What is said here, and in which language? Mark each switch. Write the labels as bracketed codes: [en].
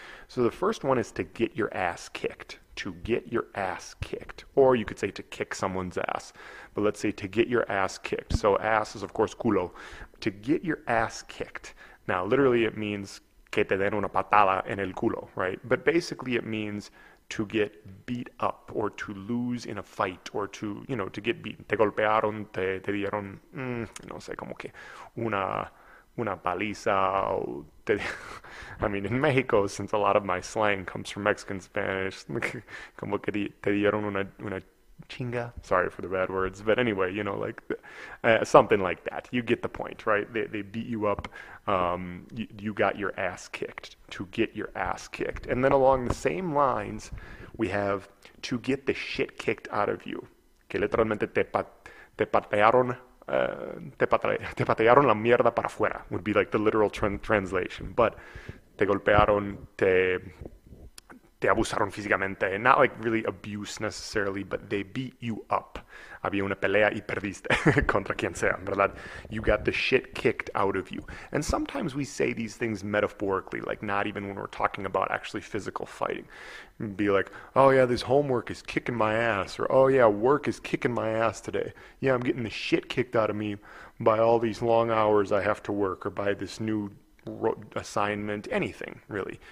[en] So the first one is to get your ass kicked, to get your ass kicked, or you could say to kick someone's ass, but let's say to get your ass kicked. So ass is, of course, culo. To get your ass kicked. Now, literally, it means [es] que te den una patada en el culo, [en] right? But basically, it means to get beat up or to lose in a fight or to, you know, to get beaten. [es] Te golpearon, te dieron, no sé, como que una paliza. O te, [en] I mean, in Mexico, since a lot of my slang comes from Mexican Spanish, [es] como que te dieron una chinga. [en] Sorry for the bad words. But anyway, you know, like something like that. You get the point, right? They beat you up. You got your ass kicked, to get your ass kicked. And then along the same lines, we have to get the shit kicked out of you. [es] Que literalmente te patearon la mierda para afuera, [en] would be like the literal translation. [es] But te golpearon, te abusaron físicamente. [en] Not like really abuse necessarily, but they beat you up. [es] Había una pelea y perdiste contra quien sea, ¿verdad? [en] You got the shit kicked out of you. And sometimes we say these things metaphorically, like not even when we're talking about actually physical fighting. Be like, oh yeah, this homework is kicking my ass. Or, oh yeah, work is kicking my ass today. Yeah, I'm getting the shit kicked out of me by all these long hours I have to work, or by this new assignment, anything really.